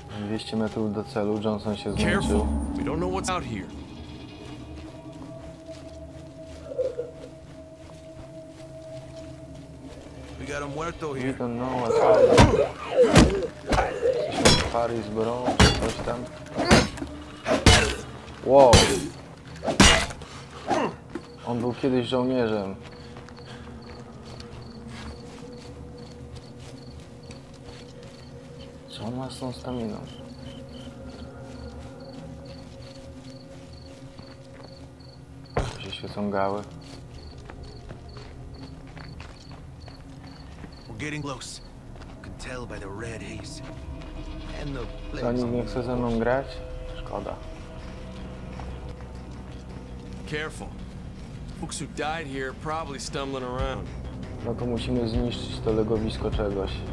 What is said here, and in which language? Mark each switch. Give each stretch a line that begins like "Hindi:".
Polish: Wieście metrów do celu, Johnson się zmęczył.
English: We don't know what's out here. We got a muerto here. We don't know what's out here.
Polish: Coś tam Paris, bro, czy coś tam. Wow. On był kiedyś żołnierzem. Co on ma z tą staminą? Są gały.
English: We're getting close. Can tell by the red haze. And the
Polish: co, nikt nie chce ze mną grać? Szkoda.
English: Careful. Folks who died here probably stumbling around.
Polish: No to musimy zniszczyć to legowisko czegoś.